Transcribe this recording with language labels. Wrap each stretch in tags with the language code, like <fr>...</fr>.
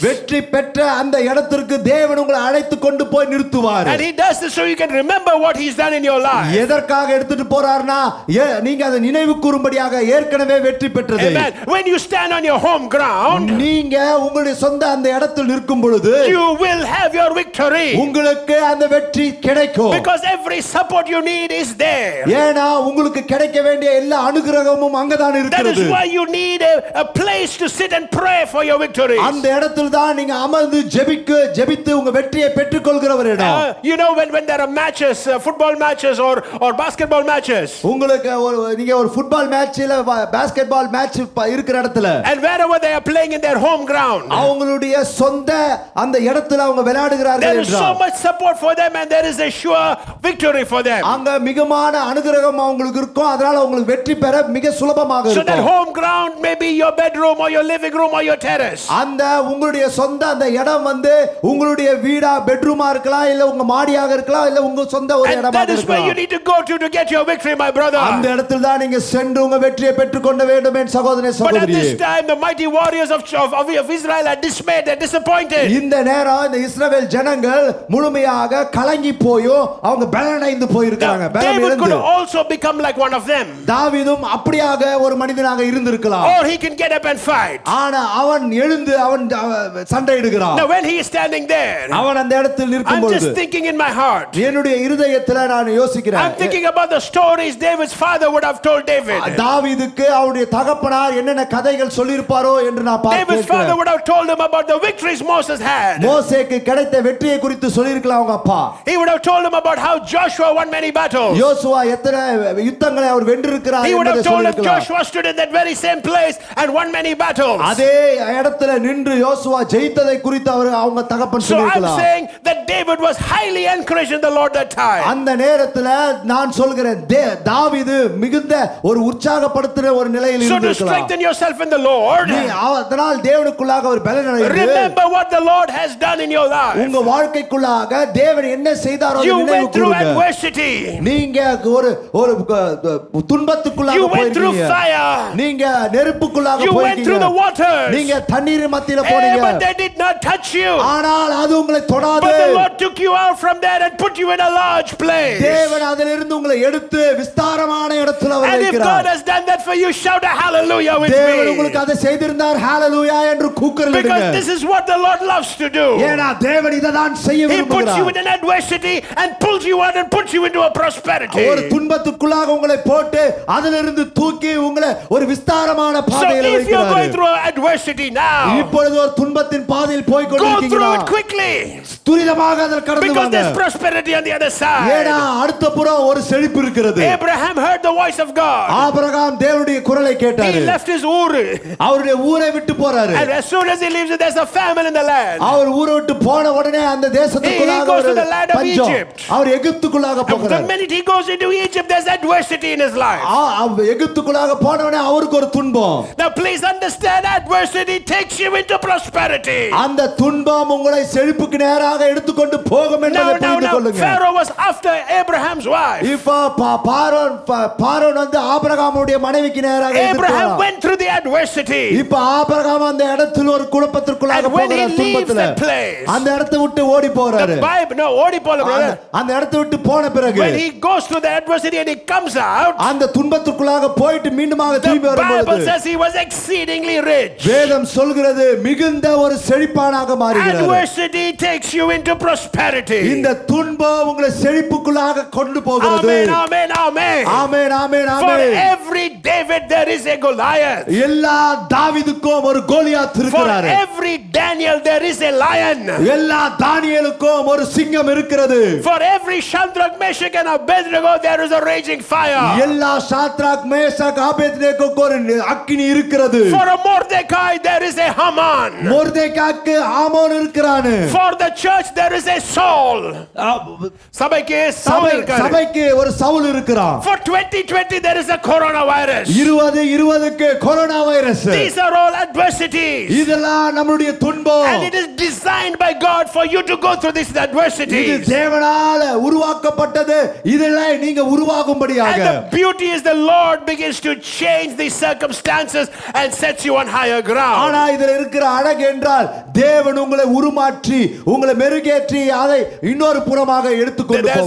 <ta>வெற்றி பெற்ற அந்த இடத்திற்கு தேவன் உங்களை அழைத்து கொண்டு போய் நிறுத்துவார்.</ta> <en>And he does this so you can remember what he's done in your life.</en> <ta>எதற்காக எடுத்துட்டு போறார்னா நீங்க அதை நினைவுகூரும்படியாக ஏற்கனவே வெற்றி பெற்றதை.</ta> <en>Amen. When you stand on your home ground,</en> <ta>நீங்க உங்களுடைய சொந்த அந்த இடத்தில் நிற்கும் பொழுது</ta> <en>you will have your victory.</en> <ta>உங்களுக்கு அந்த வெற்றி கிடைக்கும்.</ta> <en>Because every support you need is there.</en> <ta>ஏனா உங்களுக்கு கிடைக்க வேண்டிய எல்லா அனுகிரகமும் அங்கதான் இருக்குது.</ta> <en>That is why you need a place to sit and pray for your victory.</en> <ta>அந்த இடத்துல தான் நீங்க அமர்ந்து ஜெபிக்கு ஜெபித்து உங்க வெற்றியை பெற்றுக் கொள்கிறவர் இடம்.</ta> <en>You know when there are matches, football matches or basketball matches.</en> <ta>உங்களுக்கு ஒரு நீங்க ஒரு football match இல்ல basketball match இருக்கிற இடத்துல.</ta> <en>And wherever they are playing in their home ground.</en> <ta>அவங்களுடைய சொந்த அந்த இடத்துல அவங்க விளையாடுகிறார்கள் என்றால்</ta> <en>there is so much support for them and there is a sure victory for them.</en> <ta>அங்க மிகமான அனுகிரகம் அவங்களுக்கு இருக்கும். அதனால உங்களுக்கு வெற்றி பெற மிக சுலபமாக இருக்கும்.</ta> <en>So that home ground may be your bedroom or your living room or your terrace.</en> <ta>அந்த உங்களுடைய சொந்த அந்த இடம் வந்து உங்களுடைய வீடா பெட்ரூமா இருக்கலாம் இல்ல உங்க மாடியாக இருக்கலாம் இல்ல உங்க சொந்த ஒரு இடமா இருக்கலாம்.</ta> <en>You need to go to get your victory, my brother.</en> <ta>அந்த இடத்துல தான் நீங்க சென்று உங்க வெற்றியை பெற்றுக்கொள்ள வேண்டும் என் சகோதரனே சகோதரியே.</ta> <en>But at this time the mighty warriors of Israel are dismayed and disappointed.</en> <ta>இந்த நேரா இந்த இஸ்ரவேல் ஜனங்கள் முழுமையாக கலங்கி போயும் அவங்க பலனடைந்து போயிருக்காங்க.</ta> <en>David could also become like one of them.</en> <ta>தாவீதும் அப்படியாக ஒரு மனிதனாக இருந்திருக்கலாம்.</ta> <en>Or he can get up and fight.</en> <ta>ஆனா அவன் எழுந்து அவன் சண்டை இடுகிறான்.</ta> <en>Now when he is standing there,</en> <ta>அவன் அந்த இடத்தில் நிற்கும் பொழுது,</ta> <en>I'm just thinking in my heart.</en> <ta>என்னுடைய இதயத்தில் நான் யோசிக்கிறேன்.</ta> <en>I'm thinking about the stories David's father would have told David.</en> <ta>தாவீதுக்கு அவருடைய தகப்பனார் என்னென்ன கதைகள் சொல்லியிருப்பாரோ என்று நான் பார்க்கிறேன்.</ta> <en>David's father would have told him about the victories Moses had.</en> <ta>மோசேக்கு கிடைத்த வெற்றியை குறித்து சொல்லியிருக்கலாம் அவங்க அப்பா.</ta> <en>He would have told him about how Joshua won many battles.</en> <ta>யோசுவா எத்தனை யுத்தங்களை அவர் வென்றிருக்கிறார் என்று சொல்லியிருக்கலாம்.</ta> <en>He would have told him Joshua stood in that very same place and won many battles.</en> <ta>அதே இடத்தில் நின்று யோசுவா ஜெயித்ததை குறித்து அவர் அவங்க தகப்பன் சொல்லிருக்கலாம்.</ta> <en>So I'm saying that David was highly encouraged in the Lord that time.</en> <ta>அந்த நேரத்துல நான் சொல்கிறேன் தாவீது மிகுந்த ஒரு உற்சாகப்படுத்துற ஒரு நிலையில் இருந்திருக்கலாம்.</ta> <en>So to strengthen yourself in the Lord.</en> <ta>அதனால் தேவனுக்குள்ளாக ஒரு பலனடைந்து</ta> <en>Remember what the Lord has done in your life.</en> <ta>உங்க வாழ்க்கைக்குள்ளாக தேவன் என்ன செய்தாரோ அதை நினைவுகூருங்க.</ta> <en>You went through adversity.</en> <ta>நீங்க ஒரு ஒரு துன்பத்துக்குள்ளாக போயிருக்கீங்க.</ta> <en>You went through fire.</en> <ta>நீங்க நெருப்புக்குள்ளாக போயிருக்கீங்க.</ta> <en>You went through the waters.</en> <ta>நீங்க தண்ணீர் மத்தியில போனீங்க.</ta> <en>But they did not touch you.</en> <ta>ஆனால் அது உங்களை தொடாது.</ta> <en>But the Lord took you out from there and put you in a large place.</en> <ta>தேவன் அதிலிருந்து உங்களை எடுத்து விஸ்தாரமான இடத்துல வைக்கிறார்.</ta> <en>And if God has done that for you, shout a hallelujah with me.</en> <ta>தேவன் உங்களுக்கு அதை செய்திருந்தார் hallelujah என்று கூக்குரல் இடுங்க.</ta> <en>Because this is what the Lord loves to do.</en> <ta>ஏனா தேவன் இத தான் செய்ய விரும்புகிறார்.</ta> <en>He puts you in an adversity and pulls you out and puts you into a prosperity.</en> <ta>ஒரு துன்பத்துக்குள்ளாக உங்களை போட்டு அதிலிருந்து தூக்கி உங்களை ஒரு விஸ்தாரமான பாதையில் வைக்கிறார்.</ta> <en>So if you're going through adversity now,</en> <ta>இப்பொழுது ஒரு துன்பத்தின் பாதையில் போய் கொண்டிருக்கீங்களா?</ta> <en>Go through it quickly.</en> <ta>துரிதமாக அதல கடந்து வந்தார்</ta> <en>because this prosperity on the other side</en> <ta>ஏனா அடுத்த புறம் ஒரு செழிப்பு இருக்கிறது</ta> <en>Abraham heard the voice of God</en> <ta>Abraham தேவனுடைய குரலை கேட்டார்</ta> <en>he left his ஊர்</en> <ta>அவருடைய ஊரை விட்டு போறாரு</ta> <en>and as soon as he leaves it, there's a famine in the land</en> <ta>அவர் ஊரை விட்டு போன உடனே அந்த தேசத்துக்குள்ளாக</ta> <en>he goes to the land of Egypt</en> <ta>அவர் எகிப்துக்குள்ளாக போகிறார்</ta> <en>the minute he goes into Egypt there's adversity in his life</en> <ta>அவர் எகிப்துக்குள்ளாக போன உடனே அவருக்கு ஒரு துன்பம்</ta> <en>now please understand adversity takes you into prosperity</en> <ta>அந்த துன்பம் உங்களை செழிப்புக்கு நேராக எடுத்துக்கொண்டு போகும் என்பதை புரிந்து கொள்ளுங்க</ta> <en>Pharaoh was after Abraham's wife</en> <ta>இப்ப பாரோன் வந்து ஆபிரகாமுடைய மனைவிக்கு நேராக</ta> <en>Abraham went through the adversity</en> <ta>இப்ப ஆபிரகாம் அந்த இடத்துல ஒரு குழப்பத்துக்குள்ளாக போகிற துன்பத்துல அந்த இடத்தை விட்டு ஓடி போறாரு ஓடி போல அந்த இடத்தை விட்டு போன பிறகு</ta> <en>when he goes through the adversity and he comes out</en> <ta>அந்த துன்பத்துக்குள்ளாக போயிடு மீண்டுமாக திரும்பி வரும்போது</ta> <en>Bible says he was exceedingly rich</en> <ta>வேதம் சொல்கிறது மிகுந்த ஒரு செழிப்பானாக மாறுகிறார்</ta> <en>adversity takes you into prosperity</en> <ta>இந்த துன்பம் உங்களை செழிப்புக்குள்ளாக கொண்டு போகிறது</ta> <en>amen amen amen amen amen for every david there is a goliath</en> <ta>எல்லா தாவீதுக்கும் ஒரு கோலியாத் இருக்கிறார்</ta> <en>for every daniel there is a lion</en> <ta>எல்லா தானியேலுக்கும் ஒரு சிங்கம் இருக்கிறது</ta> <en>for every shadrach meshach and abednego there is a raging fire</en> <ta>எல்லா சாத்ராக் மேசாக் ஆபேத்னேகோக்கு ஒரு அக்கினி இருக்கிறது</ta> <en>for a mordecai there is a haman</en> <ta>மொர்தெகாய்க்கு Haman இருக்கிறானு</ta> <en>for the church there is a saul</en> <ta>சபைக்கு சவுல் இருக்கார் சபைக்கு ஒரு சவுல் இருக்கிறான்</ta> <en>for 2020 there is a corona virus</en> <ta>2020 க்கு corona virus</ta> <en>these are all adversities</en> <ta>இதெல்லாம் நம்மளுடைய துன்பம்</ta> <en>and it is designed by god for you to go through this adversity</en> <ta>இது தேவனால் உருவாக்கப்பட்டது இதெல்லாம் நீங்க உருவாகும்படியாக</ta> <en>and the beauty is the lord begins to change the circumstances and sets you on higher ground</en> <ta>ஆனா இதில இருக்கிற அழகு என்றால் தேவன் உங்களை உருமாற்றி உங்களை மெருகேற்றி அதை இன்னொரு புறமாக எடுத்துக்கொண்டு போவார்</ta>